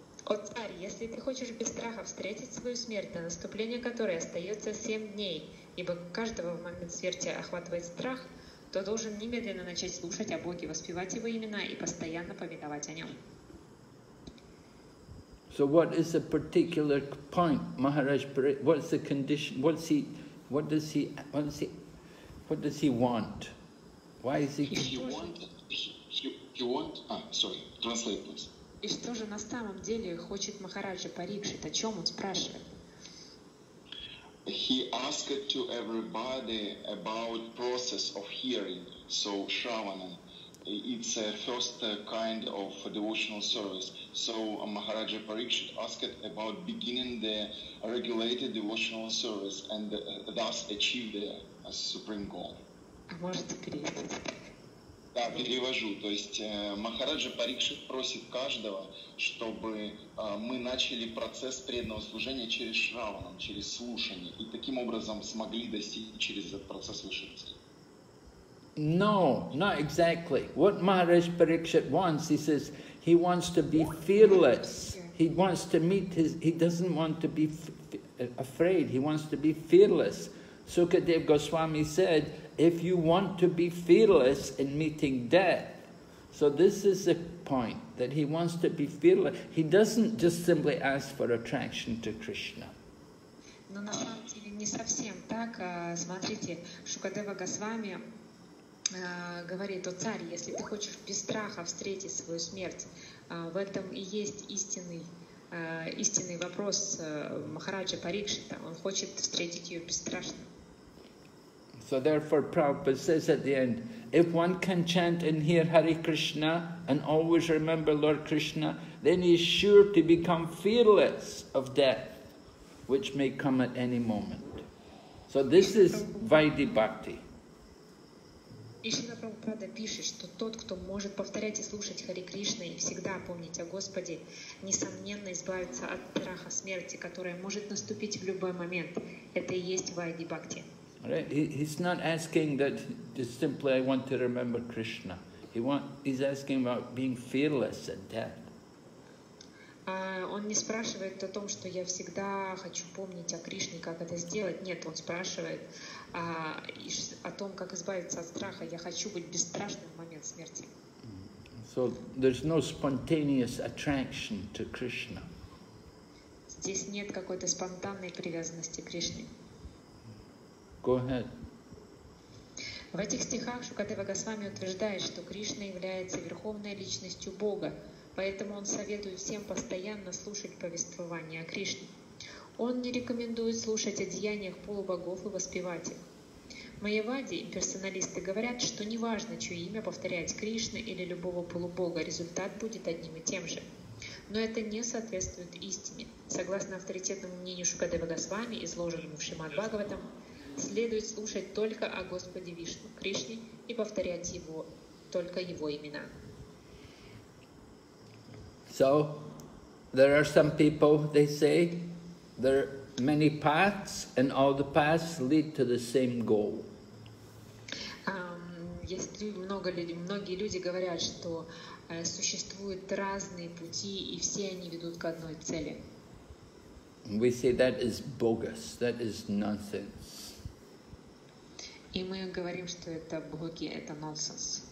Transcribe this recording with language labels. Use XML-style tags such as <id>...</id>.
<ru>О царь, если ты хочешь без страха встретить свою смерть, на наступление которой остается 7 дней, ибо каждого в момент смерти охватывает страх, то должен немедленно начать слушать о Боге, воспевать его имена и постоянно повиновать о нем.</ru> <en>So what is the particular point, Maharaj Parikshit? What's the condition? What does he want? Why is he? Translate, please.</en> <ru>И что же на самом деле хочет Махараджа Парикшит? О чем он спрашивает?</ru> <en>He asked to everybody about process of hearing. So Shravana, it's a first kind of devotional service. So Maharaja Parikshit asked about beginning the regulated devotional service and thus achieve the supreme goal.</en> <ru>А можете перевести? Да, перевожу. То есть Махараджа Парикшит просит каждого, чтобы мы начали процесс преданного служения через Шраванам, через слушание, и таким образом смогли достичь через этот процесс высшей цели.</ru> <en>No, not exactly. What Maharaj Parikshit wants, he says, he wants to be fearless. He wants to meet his, he doesn't want to be afraid, he wants to be fearless. Sukadev Goswami said, if you want to be fearless in meeting death, so this is the point, that he wants to be fearless. He doesn't just simply ask for attraction to Krishna.</en> <ru>Но на самом деле не совсем так. Смотрите, Шукадева Госвами говорит, о царь, если ты хочешь без страха встретить свою смерть, в этом и есть истинный вопрос Махараджа Парикшита. Он хочет встретить ее бесстрашно.</ru> <en>So therefore Prabhupada says at the end, if one can chant and hear Hare Krishna and always remember Lord Krishna, then he is sure to become fearless of death, which may come at any moment. So this is Vaidhi Bhakti.</en> <ru>И Шрила Прабхупада пишет, что тот, кто может повторять и слушать Хари Кришна и всегда помнить о Господе, несомненно избавится от страха смерти, которая может наступить в любой момент. Это и есть Вайди Бхакти.</ru> <en>Right. He's not asking that just simply I want to remember Krishna. He's asking about being fearless at death.</en> <ru>Он не спрашивает о том, что я всегда хочу помнить о Кришне, как это сделать. Нет, он спрашивает о том, как избавиться от страха. Я хочу быть бесстрашным в момент смерти.</ru> <en>So there's no spontaneous attraction to Krishna.</en> <ru>Здесь нет какой-то спонтанной привязанности к Кришне.</ru> <en>Go ahead.</en> <ru>В этих стихах Шукадева Госвами утверждает, что Кришна является верховной личностью Бога, поэтому он советует всем постоянно слушать повествования о Кришне. Он не рекомендует слушать о деяниях полубогов и воспевать их. Майявади и персоналисты говорят, что неважно, чье имя повторяет Кришна или любого полубога, результат будет одним и тем же. Но это не соответствует истине. Согласно авторитетному мнению Шукадева Госвами, изложенному в Шримад Бхагаватам, следует слушать только о Господе Вишну, Кришне, и повторять его, только его имена.</ru> <en>So, there are some people, they say, there are many paths, and all the paths lead to the same goal.</en> <ru>Есть много людей, многие люди говорят, что существуют разные пути, и все они ведут к одной цели.</ru> <en>We say that is bogus, that is nonsense.</en> <ru>И мы говорим, что это боги, это нонсенс.</ru>